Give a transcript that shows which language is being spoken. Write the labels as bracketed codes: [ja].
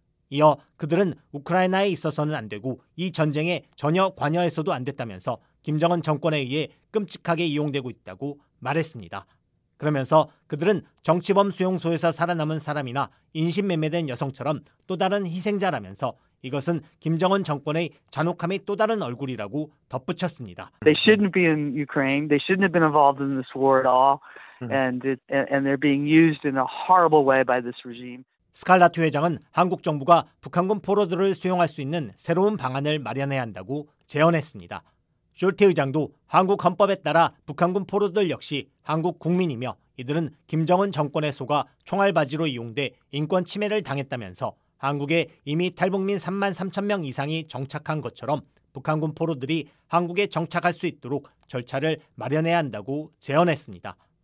[ko] 이어 그들은 우크라이나에 있어서는 안 되고 이 전쟁에 전혀 관여해서도 안 됐다면서 김정은 정권에 의해 끔찍하게 이용되고 있다고 말했습니다. 그러면서 그들은 정치범 수용소에서 살아남은 사람이나 인신매매된 여성처럼 또 다른 희생자라면서 이것은 김정은 정권의 잔혹함의 또 다른 얼굴이라고 덧붙였습니다. [en] They shouldn't be in Ukraine. They shouldn't have been involved in this war at all. And they're being used in a horrible way by this regime. [ko] 스칼라트 회장은 한국 정부가 북한군 포로들을 수용할 수 있는 새로운 방안을 마련해야 한다고 제언했습니다. 숄티 의장도 한국 헌법에 따라 북한군 포로들 역시 한국 국민이며 이들은 김정은 정권에 속아 총알바지로 이용돼 인권 침해를 당했다면서 한국에 이미 탈북민 3만 3천 명 이상이 정착한 것처럼 북한군 포로들이 한국에 정착할 수 있도록 절차를 마련해야 한다고 제언했습니다.